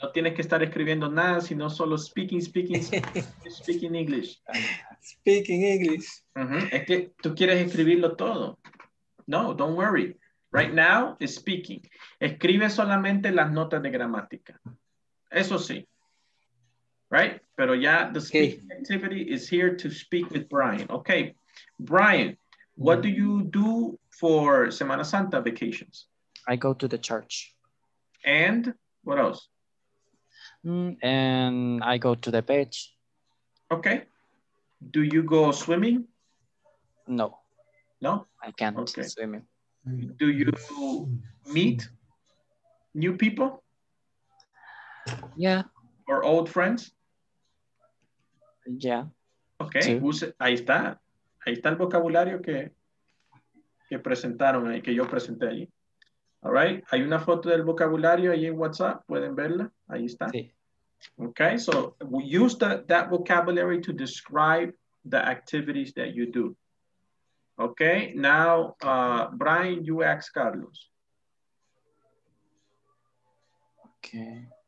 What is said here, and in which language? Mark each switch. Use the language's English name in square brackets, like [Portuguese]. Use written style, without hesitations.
[Spanish] No tienes que estar escribiendo nada, sino solo [English] speaking, speaking English. Speaking English. [Spanish] Uh-huh. Es que tú quieres escribirlo todo. [English] No, don't worry. Right now is speaking. [Spanish] Escribe solamente las notas de gramática. Eso sí. [English] right? [Spanish] Pero ya, [English] the speaking activity is here to speak with Brian. Okay, Brian, what do you do for Semana Santa vacations? I go to the church. And what else? And I go to the beach. Okay. Do you go swimming? No. No? I can't swim. Do you meet new people? Yeah. Or old friends? Yeah. [Spanish] Okay. Ahí está. Ahí está el vocabulario que presentaron, que yo presenté allí. [English] All right. [Spanish] Hay una foto del vocabulario ahí en WhatsApp. Pueden verla. Ahí está. Sí. [English] Okay. So we use that vocabulary to describe the activities that you do. Okay. Now, Brian, you ask Carlos. Okay.